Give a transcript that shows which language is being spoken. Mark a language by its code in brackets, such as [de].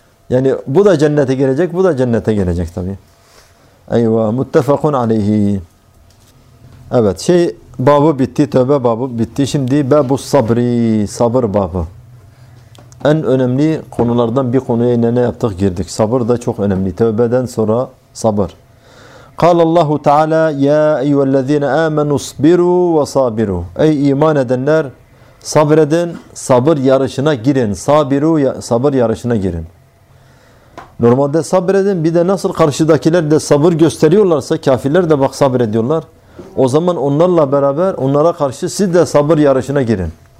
[tr] Yani bu da cennete gelecek, bu da cennete gelecek tabii. Eyvah, muttefakun aleyhi. Evet, şey babı bitti, tövbe babı bitti. Şimdi babu sabri, sabır babı. En önemli konulardan bir konuya yine ne yaptık, girdik. Sabır da çok önemli, tövbeden sonra sabır. [ar] قال الله تعالى يا أيها الذين آمنوا اصبروا وصابروا. [tr] Ey iman edenler, sabredin, sabır yarışına girin. Sabiru, sabır yarışına girin. Normalde sabredin, bir de nasıl karşıdakiler de sabır gösteriyorlarsa, kafirler de bak sabrediyorlar. O zaman onlarla beraber, onlara karşı siz de sabır yarışına girin.